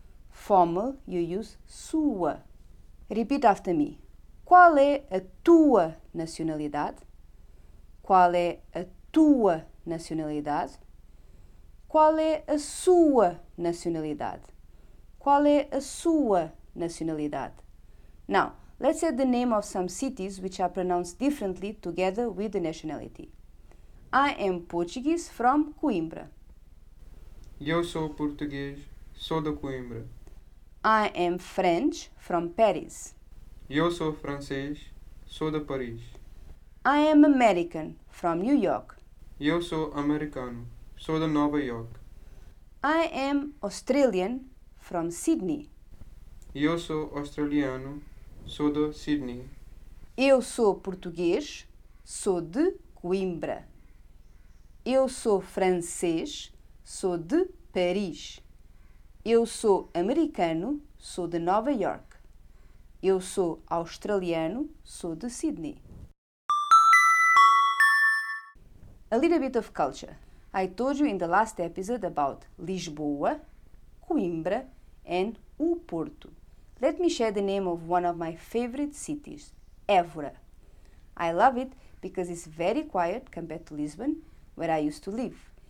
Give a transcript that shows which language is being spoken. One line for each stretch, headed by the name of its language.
English: Formal, you use sua. Repeat after me.
Portuguese: Qual é a tua nacionalidade? Qual é a tua nacionalidade? Qual é a sua nacionalidade? Qual é a sua nacionalidade?
English: Now, let's add the name of some cities which are pronounced differently together with the nationality. I am Portuguese from Coimbra.
Portuguese: Eu sou português, sou de Coimbra.
English: I am French from Paris.
Portuguese: Eu sou francês, sou de Paris.
English: I am American from New York.
Portuguese: Eu sou americano, sou de Nova York.
English: I am Australian from Sydney.
Portuguese: Eu sou australiano, sou de Sydney. Eu sou português, sou de Coimbra. Eu sou francês, sou de Paris. Eu sou americano, sou de Nova York. Eu sou australiano, sou de Sydney.
English: A little bit of culture. I told you in the last episode about Lisboa, Coimbra and o Porto. Let me share the name of one of my favorite cities, Évora. I love it because it's very quiet compared to Lisbon, where I used to live.